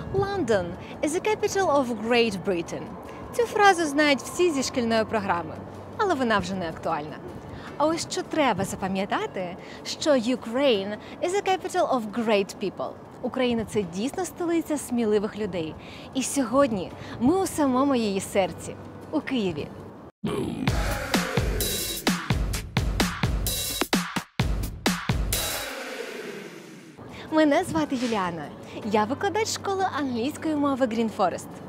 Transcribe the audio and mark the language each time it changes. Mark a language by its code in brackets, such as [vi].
[en] London is the capital of Great Britain. [uk] Цю фразу знають всі зі шкільної програми, але вона вже не актуальна. А ось що треба запам'ятати, що [en] Ukraine is the capital of great people. [uk] Україна – це дійсно столиця сміливих людей. І сьогодні ми у самому її серці – у Києві. Мене звати Юліана. Я викладач школи англійської мови Green Forest.